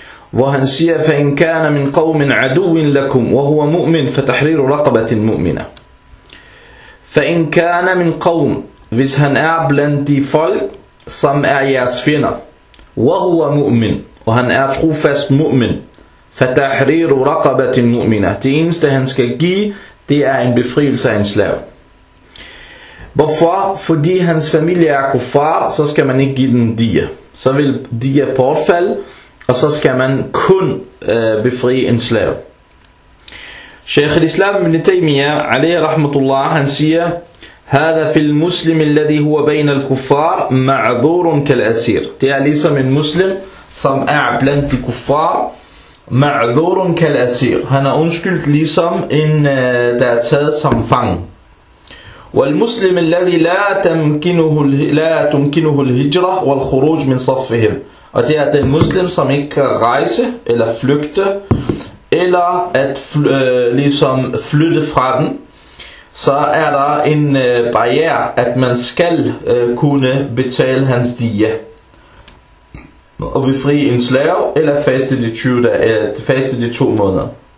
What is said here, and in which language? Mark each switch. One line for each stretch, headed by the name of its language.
Danish: Hvor han siger,
Arabic: فَإِنْ كَانَ مِنْ قَوْمٍ عَدُوٍ لَكُمْ وَهُوَ مُؤْمِنْ فَتَحْرِيرُ رَقَبَةٍ مُؤْمِنَ فَإِنْ كَانَ مِنْ قَوْمٍ
Danish: Hvis han er blandt de folk, som er jeres fjender.
Arabic: وَهُوَ مُؤْمِنْ
Danish: Og han er trofast mu'min.
Arabic: فَتَحْرِيرُ رَقَبَةٍ مُؤْمِنَ
Danish: Det eneste, han skal give, det er en befrielse af en slav. Hvorfor? Fordi hans familie er kuffar, så skal man ikke give den dia. Så vil dia påfalde, og så skal man kun befri en slave.
Arabic: Sheikh al-Islam ibn Taymiyyah, alayhi rahmatullah,
Danish: han siger,
Arabic: هذا في المسلم الذي هو بين الكفار معذور كالأسير.
Danish: Det er ligesom en muslim, som er blandt de kuffar,
Arabic: معذور كالأسير.
Danish: Han er undskyldt ligesom en, der er taget som fang.
Arabic: والمسلم الذي لا تمكنه الهجرة والخروج من صفهم.
Danish: Og det er den muslim, som ikke kan rejse eller flygte eller at ligesom flytte fra den, så er der en barriere, at man skal kunne betale hans dia og befri en slave eller faste de 20 dage, faste de 2 måneder.